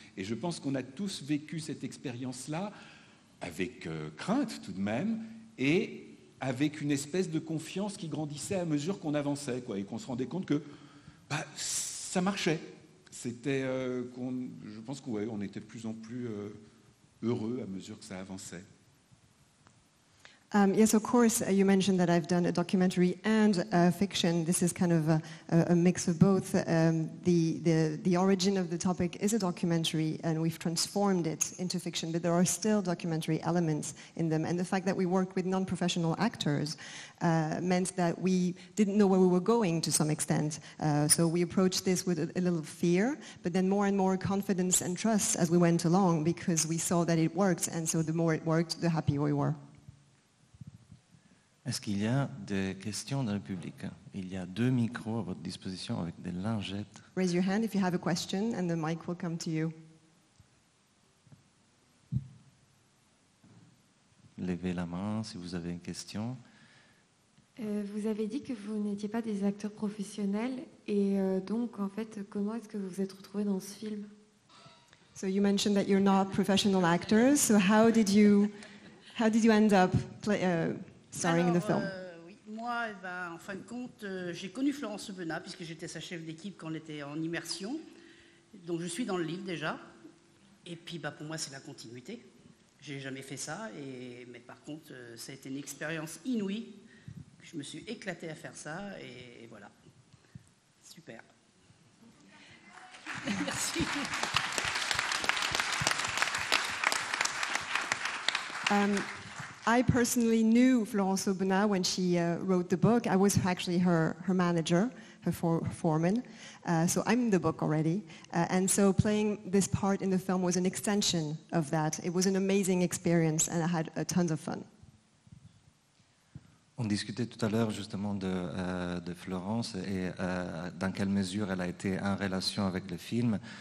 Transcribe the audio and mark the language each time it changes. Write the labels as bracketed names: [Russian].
[French] Et je pense qu'on a tous vécu cette expérience-là avec crainte tout de même. Et avec une espèce de confiance qui grandissait à mesure qu'on avançait, quoi, et qu'on se rendait compte que bah, ça marchait. C'était, je pense qu'on était de plus en plus heureux à mesure que ça avançait. [English] Yes, of course, you mentioned that I've done a documentary and fiction. This is kind of a mix of both. The origin of the topic is a documentary, and we've transformed it into fiction, but there are still documentary elements in them. And the fact that we worked with non-professional actors meant that we didn't know where we were going to some extent. So we approached this with a little fear, but then more and more confidence and trust as we went along, because we saw that it worked, and so the more it worked, the happier we were. [French] Est-ce qu'il y a des questions dans le public? Il y a deux micros à votre disposition avec des lingettes. [English] Raise your hand if you have a question and the mic will come to you. [French] Levez la main si vous avez une question. Vous avez dit que vous n'étiez pas des acteurs professionnels et donc en fait comment est-ce que vous vous êtes retrouvés dans ce film? [English] So you mentioned that you're not professional actors, so how did you end up starring in the film? [French] Moi, en fin de compte, j'ai connu Florence Aubenas puisque j'étais sa chef d'équipe quand on était en immersion. Donc je suis dans le livre déjà. Et puis pour moi c'est la continuité. J'ai jamais fait ça, mais par contre, ça a été une expérience inouïe. Je me suis éclatée à faire ça et voilà. Super. Merci. [English] I personally knew Florence Aubenas when she wrote the book. I was actually her manager, her foreman. So I'm in the book already. And so playing this part in the film was an extension of that. It was an amazing experience and I had a tons of fun. [French] On discutait tout à l'heure justement de Florence et dans quelle mesure elle a été en relation avec le film.